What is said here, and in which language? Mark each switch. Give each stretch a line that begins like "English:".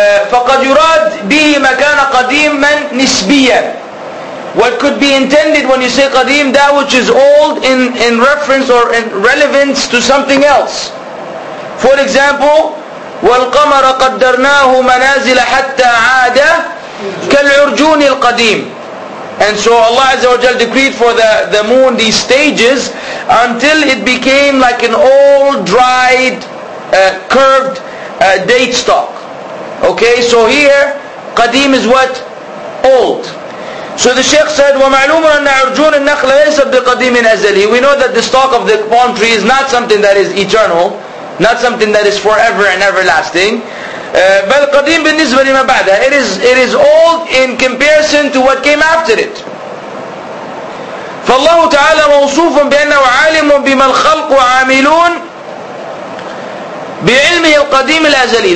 Arabic: فقد يراد به مكان قديم من نسبيا.
English: What could be intended when you say قديم, that which is old in reference or in relevance to something else. For example,
Arabic: والقمر قدرناه منازل حتى عاد كالعرجون القديم.
English: And so Allah Azza wa Jal decreed for the moon these stages until it became like an old dried curved date stock. Okay, so here, قديم is what? Old. So the Shaykh said,
Arabic: وَمَعْلُومٌ أَنَّ عُرْجُونَ النَّخْلَ لَيْسَ بِقَدِيمٍ أَزَلِهِ.
English: We know that the stalk of the palm tree is not something that is eternal, not something that is forever and everlasting.
Arabic: بَلْ قَدِيمٌ بِالنِّسْبَ لِمَا بَعْدَهِ.
English: It is old in comparison to what came after it.
Arabic: فَاللَّهُ تَعَالَى مَوْصُوفٌ بِأَنَّهُ عَالِمٌ بِمَا الْخَلْقُ عَامِلُونَ بِعِلْمِهِ الْقَدِيمِ الْأَزَلِي.